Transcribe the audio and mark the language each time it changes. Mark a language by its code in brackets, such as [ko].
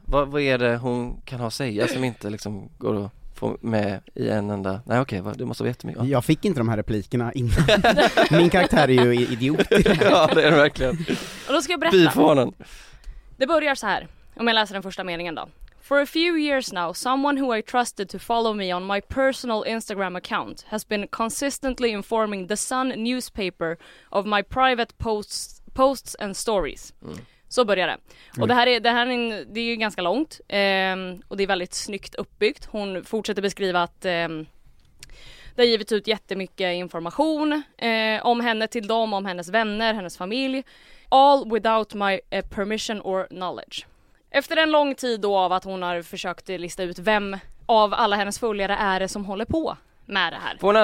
[sv] Vad är det hon kan ha att säga som inte liksom går att få med i en enda... Nej okej, okay, du måste veta jättemycket. Jag fick inte de här replikerna innan. Min karaktär är ju idiot. Ja, det är det verkligen. Och då ska jag berätta. Bifonen. Det börjar så här, om jag läser den första meningen då. [en] For a few years now, someone who I trusted to follow me on my personal Instagram account has been consistently informing the Sun newspaper of my private posts and stories. [sv] Så börjar det. Och det här är ju ganska långt. Och det är väldigt snyggt uppbyggt. Hon fortsätter beskriva att det har givit ut jättemycket information om henne till dem, om hennes vänner, hennes familj. [en] All without my permission or knowledge. [sv] Efter en lång tid då av att hon har försökt lista ut vem av alla hennes följare är det som håller på med det här.